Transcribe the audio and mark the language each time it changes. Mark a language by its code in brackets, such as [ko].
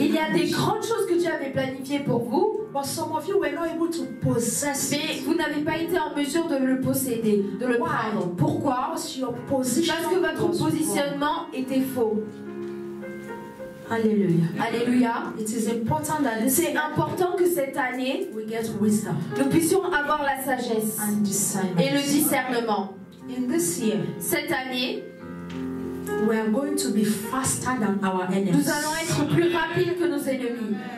[fr] Il y a des grandes choses que Dieu avait planifiées pour vous. [en] But some of you were not able to possess. [fr] Mais vous n'avez pas été en mesure de le posséder, de le [en] why? [fr] Prendre. Pourquoi? [en] Because your position [fr] parce que votre [en] was [fr] positionnement [en] wrong. [fr] Était faux. [en] Alléluia. [fr] Alléluia. [en] It is important that this [fr] c'est important que cette année, [en] we get wisdom. [fr] Nous puissions avoir la sagesse [en] and discernment. [fr] Et le discernement. [en] In this year, [fr] cette année, [en] we are going to be faster than our enemies. [fr] Nous allons être plus rapides que nos ennemis.